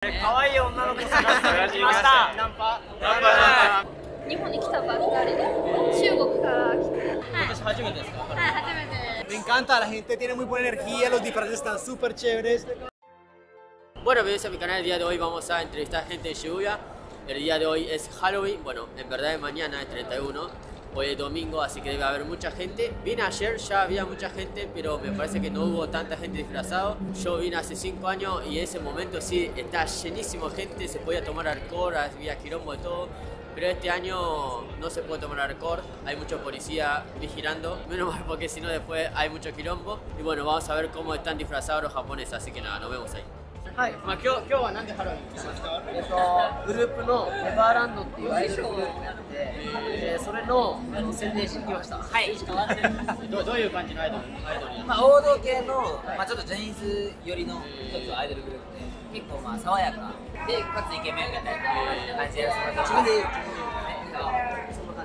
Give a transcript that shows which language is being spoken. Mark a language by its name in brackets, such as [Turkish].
[Japanese] 可愛い女の子探しました。ナンパ、ナンパ。日本に来たばっかりで、中国から来て。私初めてですか？はい、初めてです。 [Spanish] Me encanta, la gente tiene muy buena energía, los disfraces están super chéveres. Bueno, bienvenidos a mi canal. El día de hoy vamos a entrevistar gente de Shibuya. El día de hoy es Halloween, bueno, en verdad es mañana, es 31. Hoy es domingo, así que debe haber mucha gente. Vine ayer, ya había mucha gente, pero me parece que no hubo tanta gente disfrazada. Yo vine hace 5 años y en ese momento sí, está llenísimo de gente, se podía tomar alcohol, había quilombo y todo. Pero este año no se puede tomar alcohol, hay mucho policía vigilando. Menos mal, porque si no después hay mucho quilombo. Y bueno, vamos a ver cómo están disfrazados los japoneses, así que nada, nos vemos ahí. [Japanese] はい、まあ、今日は何でハロウィンにしました？グループのネバーランドっていうアイドルグループになって、それの宣伝しに来ました。はい、どういう感じのアイドル？まあ、王道系の、はい、まあ、ちょっとジャニーズ寄りの一つアイドルグループで、結構まあ爽やかでかつイケメンみたいな感じでやらせてもら